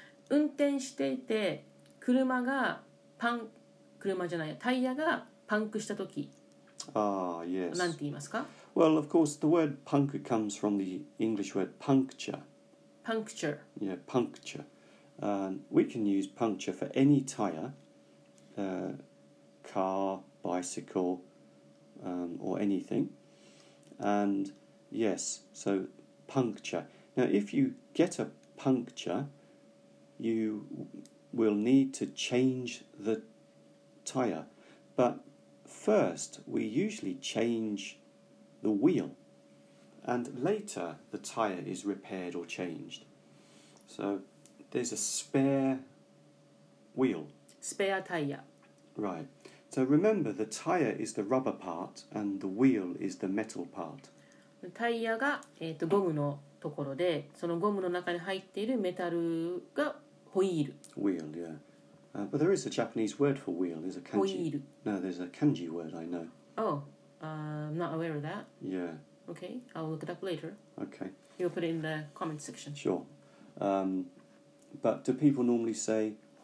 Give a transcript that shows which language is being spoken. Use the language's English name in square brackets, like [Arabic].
[Japanese] 運転していて車がパン車じゃないタイヤがパンクした時。 [English] Ah, yes. [Japanese] なんて言いますか? [English] Well, of course, the word puncture comes from the English word puncture. Puncture. Yeah, puncture. We can use puncture for any tire, car, bicycle, or anything. And yes, so puncture. Now, if you get a puncture, you will need to change the tire. But first, we usually change the wheel. And later, the tire is repaired or changed. So, there's a spare wheel. Spare tire. Right. So, remember, the tire is the rubber part and the wheel is the metal part. [Japanese] タイヤが、ゴムのところで、そのゴムの中に入っているメタルがホイール。 [English] Wheel, yeah. But there is a Japanese word for wheel. There's a kanji. ホイール。No, there's a kanji word, I know. Oh, I'm not aware of that. Yeah. Okay, I'll look it up later. Okay. You'll put it in the comment section. Sure. But do people normally say...